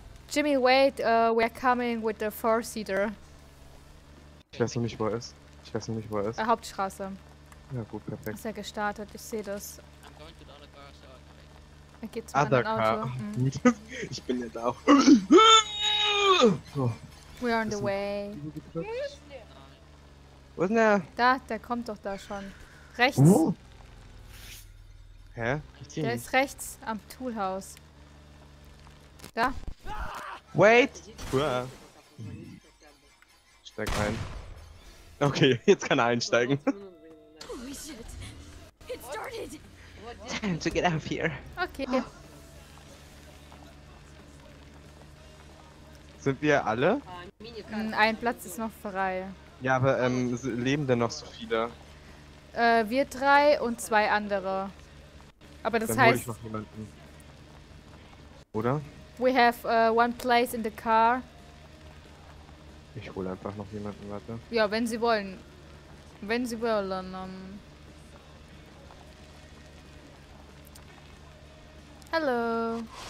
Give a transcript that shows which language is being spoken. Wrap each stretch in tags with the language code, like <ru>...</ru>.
<en>Jimmy, wait, we're coming with the four-seater.</en> <de>Ich weiß noch nicht, wo er ist. Ich weiß noch nicht, wo er ist. Hauptstraße. Ja, gut, perfekt. Ist er gestartet, ich sehe das. Er geht zum anderen Auto. Gut. Ich bin ja da auch.</de> <en>So. We're on the way.</en> <de>Wo ist denn der? Da, der kommt doch da schon. Rechts. Hä? Der ist rechts am Toolhaus. Da.</de> <en>Wait!</en> <de>Steig ein. Okay, jetzt kann er einsteigen.</de> <en>Holy shit! It started! Time to get out of here. Okay.</en> <de>Sind wir alle? Ein Platz ist noch frei. Ja, aber leben denn noch so viele? Wir drei und zwei andere. Aber das dann heißt... Dann hol ich noch jemanden. Oder?</de> <en>We have one place in the car.</en> <de>Ich hole einfach noch jemanden, warte. Ja, wenn sie wollen. Wenn sie wollen, Hallo.</de>